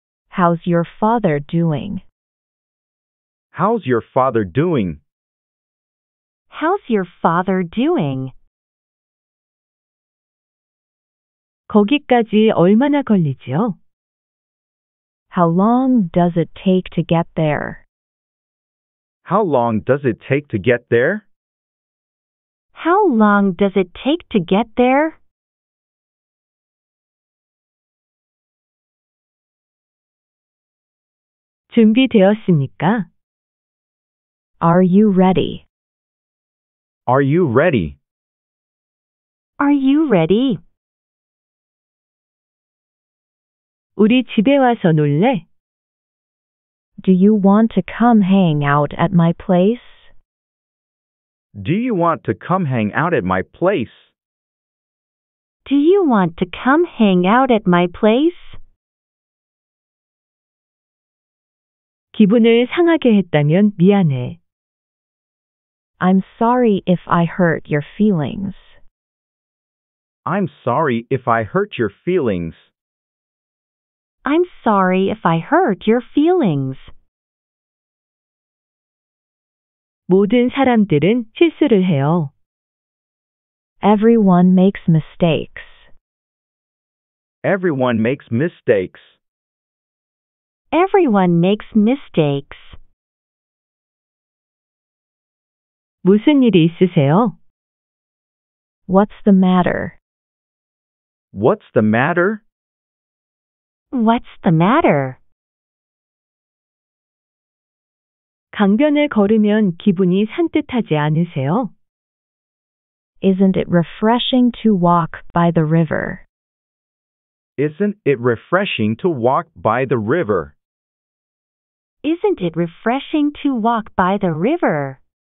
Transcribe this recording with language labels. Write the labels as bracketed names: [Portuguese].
[English] How's your father doing? How's your father doing? How's your father doing? [Korean] 거기까지 얼마나 걸리지요? [English] How long does it take to get there? How long does it take to get there? How long does it take to get there? [Korean] 준비되었습니까? [English] Are you ready? Are you ready? Are you ready? [Korean] 우리 집에 와서 놀래? [English] Do you want to come hang out at my place? Do you want to come hang out at my place? Do you want to come hang out at my place? [Korean] 기분을 상하게 했다면 미안해. [English] I'm sorry if I hurt your feelings. I'm sorry if I hurt your feelings. I'm sorry if I hurt your feelings. [Korean] 모든 사람들은 실수를 해요. [English] Everyone makes mistakes. Everyone makes mistakes. Everyone makes mistakes. [Korean] 무슨 일이 있으세요? [English] What's the matter? What's the matter? What's the matter? [Korean] 강변을 걸으면 기분이 산뜻하지 않으세요? [English] Isn't it refreshing to walk by the river? Isn't it refreshing to walk by the river? Isn't it refreshing to walk by the river?